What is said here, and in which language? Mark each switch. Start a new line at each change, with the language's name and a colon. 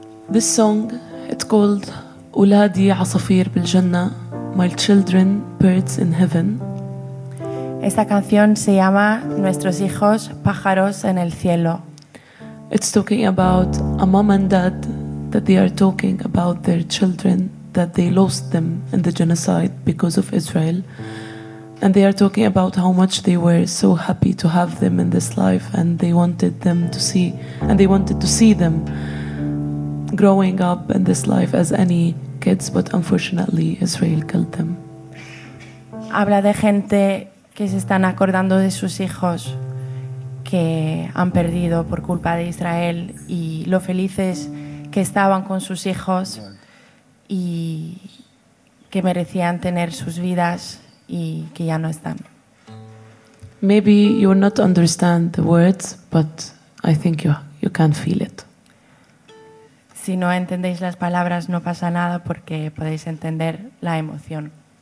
English: This song, it's called Uladi Asafir Bil Janna, My Children, Birds in Heaven.
Spanish: Esta canción se llama Nuestros hijos, pájaros en el cielo.
English: It's talking about a mom and dad that they are talking about their children that they lost them in the genocide because of Israel. And they are talking about how much they were so happy to have them in this life and they wanted them to see and they wanted to see them growing up in this life as any kids, but unfortunately Israel killed them.
Spanish: Habla de gente que se están acordando de sus hijos que han perdido por culpa de Israel y lo felices que estaban con sus hijos y que merecían tener sus vidas y que ya no están.
English: Maybe you will not understand the words, but I think you can feel it.
Spanish: Si no entendéis las palabras, no pasa nada porque podéis entender la emoción.